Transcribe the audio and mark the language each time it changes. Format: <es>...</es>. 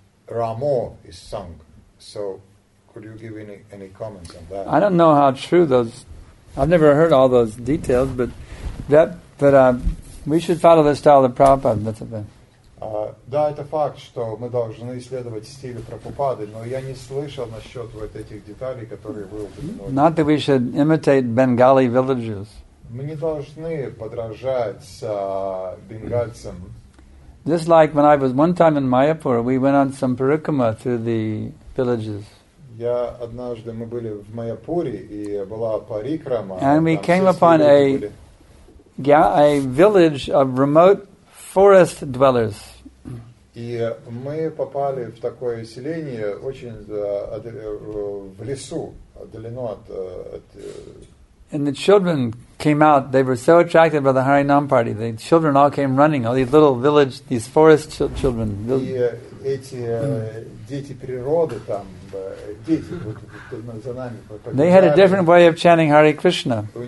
<en>Ramo is sung. So could you give any comments on that? I don't know how true those... I've never heard all those details, but that. But we should follow the style of Prabhupada. That's a thing.</en> <ru>Да, это факт, что мы должны исследовать стиль Прабхупады, но я не слышал насчет вот этих деталей, которые вы упомянули.</ru> <en>Not that we should imitate Bengali villages.</en> <ru>Мы не должны подражать бенгальцам.</ru> <en>Just like when I was one time in Mayapur, we went on some parikrama through the villages.</en> <ru>Я однажды мы были в Майяпуре и была парикрама.</ru> <en>And we came upon a village of remote forest dwellers.</en> <ru>И мы попали в такое селение очень в лесу, отдалено от.</ru> <en>And the children came out. They were so attracted by the Harinam party. The children all came running. All these little village, these forest children. They had a different way of chanting Hare Krishna.</en>